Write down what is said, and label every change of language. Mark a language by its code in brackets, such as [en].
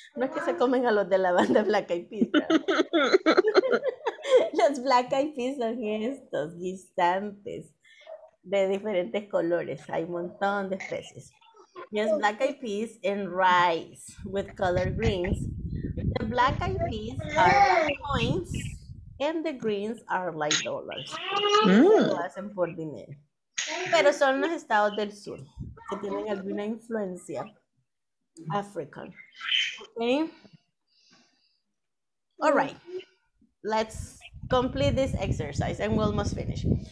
[es] No es que se comen a los de la banda Black Eyed Peas. Los black eyed peas son estos guisantes de diferentes colores. Hay un montón de especies. [en] Yes, black eyed peas and rice with colored greens. The black eyed peas are coins and the greens are like dollars. [es] Mm. Lo hacen por dinero. Pero son los estados del sur que tienen alguna influencia African. [en] Okay. All right. Let's complete this exercise and we almost finish.